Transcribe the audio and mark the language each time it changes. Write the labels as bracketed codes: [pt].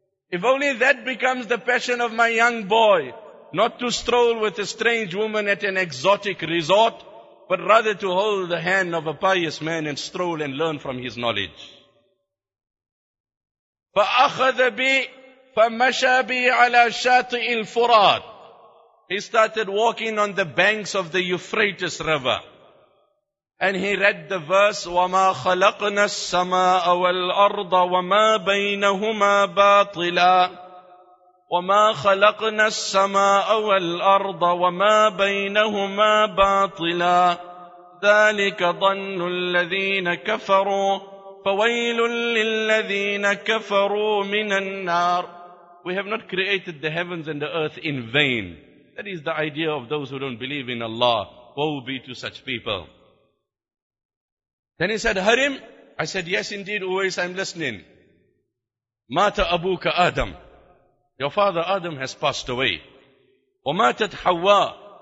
[en] If only that becomes the passion of my young boy. Not to stroll with a strange woman at an exotic resort, but rather to hold the hand of a pious man and stroll and learn from his knowledge. [ar] فَأَخَذَ بِي فَمَشَى بِي عَلَى شَاطِئِ الْفُرَاتِ. [en] He started walking on the banks of the Euphrates River. And he read the verse, [ar] وَمَا خَلَقْنَا السَّمَاءَ وَالْأَرْضَ وَمَا بَيْنَهُمَا بَاطِلًا وَمَا خَلَقْنَا السَّمَاءَ وَالْأَرْضَ وَمَا بَيْنَهُمَا بَاطِلًا ذَلِكَ ظَنُّ الَّذِينَ كَفَرُوا فَوَيْلٌ لِلَّذِينَ كَفَرُوا مِنَ النَّارِ. [en] We have not created the heavens and the earth in vain. That is the idea of those who don't believe in Allah. Woe be to such people. Then he said, Harim, I said, yes indeed, always I'm listening. [ar] مَاتَ أَبُوكَ آدَمْ. [en] Your father Adam has passed away. [ar] وَمَاتَتْ حَوَّى.